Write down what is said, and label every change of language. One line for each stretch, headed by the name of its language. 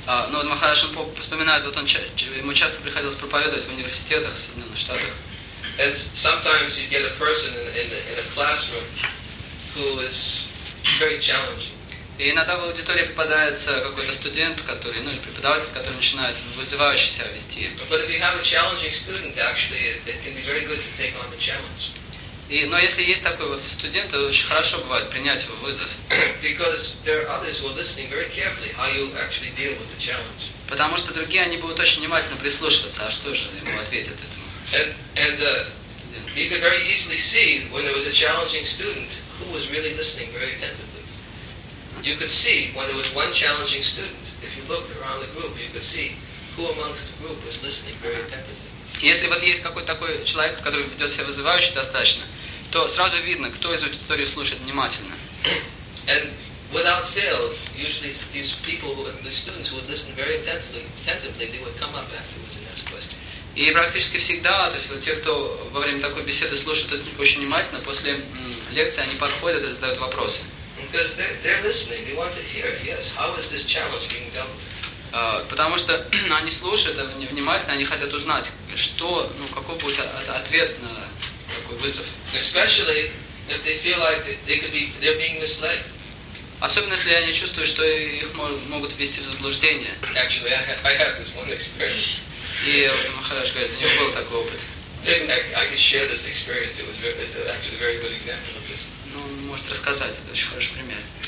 Russian: Ну, Махараш вспоминает, вот он ему часто приходилось проповедовать в университетах в Соединенных Штатах.
English: And sometimes you get a person in a classroom who is very challenging.
Russian: И иногда в аудитории попадается какой-то студент, который, ну, или преподаватель, который начинает вызывающе себя вести.
English: But if you have a challenging student, actually, it can be very good to take on the challenge.
Russian: Но если есть такой вот студент, то очень хорошо бывает принять его вызов.
English: Because there are others who are listening very carefully how you actually deal with the challenge.
Russian: Потому что другие, они будут очень внимательно прислушиваться, а что же ему ответят этому.
English: And you can very easily see when there was a challenging student who was really listening very attentively. You could see when there was one challenging student, if you looked around the group, you could see who amongst the group was listening very attentively.
Russian: Если вот есть какой-то такой человек, который ведет себя вызывающе достаточно, то сразу видно, кто из аудитории слушает внимательно.
English: And without fail, usually these people, the students who would listen very attentively, they would come up afterwards and ask questions.
Russian: И практически всегда, то есть вот те, кто во время такой беседы слушает очень внимательно, после лекции они подходят и задают вопросы.
English: Because they're listening, they want to hear, yes, how is this challenge being dealt with?
Russian: Потому что они слушают внимательно, они хотят узнать, что, ну, какой будет ответ на такой вызов.
English: Especially if they feel like they could be, they're being misled.
Russian: Особенно если они чувствуют, что их могут ввести в заблуждение.
English: Actually, I have this one experience.
Russian: И вот Махараш говорит, у него был такой опыт.
English: I can share this experience. It's actually a very good example of this.
Russian: Ну, он может рассказать, это очень хороший пример.